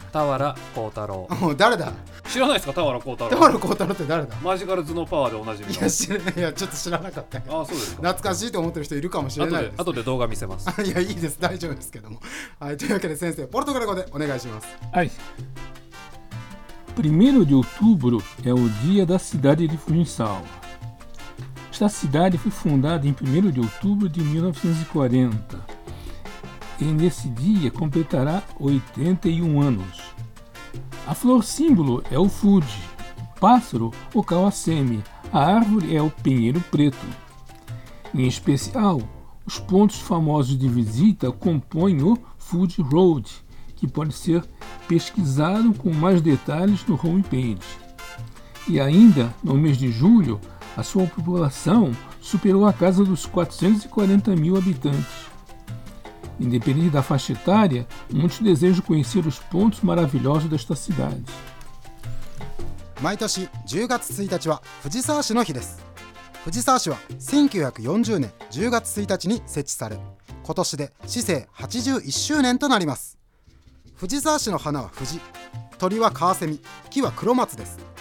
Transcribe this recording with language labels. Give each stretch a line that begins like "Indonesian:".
Japanese: 田原幸太郎。もう誰だ、知らないですか。田原幸太郎。田原幸太郎って誰だ。マジカル頭脳パワーでおなじみの。いや知らない、いやちょっと知らなかった。あ、そうですか。懐かしいと思ってる人いるかもしれないです。後で動画見せます。いやいいです、大丈夫ですけども。はい、というわけで先生ポルトガル語でお願いします。はい。
Portuguese: 1º de outubro é o dia da cidade de Funchal. Esta cidade foi fundada em 1º de outubro de 1940 e nesse dia completará 81 anos. A flor símbolo é o Fuji, o pássaro o Kawasemi, a árvore é o pinheiro preto. Em especial, os pontos famosos de visita compõem o Fuji Road, que pode ser pesquisado com mais detalhes no homepage. E ainda, no mês de julho, a sua população superou a casa dos 440 mil habitantes. Independente da faixa etária, muitos desejam conhecer os pontos maravilhosos desta cidade.
Japanese: 毎年10月1日は藤沢市の日です。藤沢市は1940年10月1日に設置され、今年で市政81周年となります。藤沢市の花は藤、鳥はカワセミ、木は黒松です。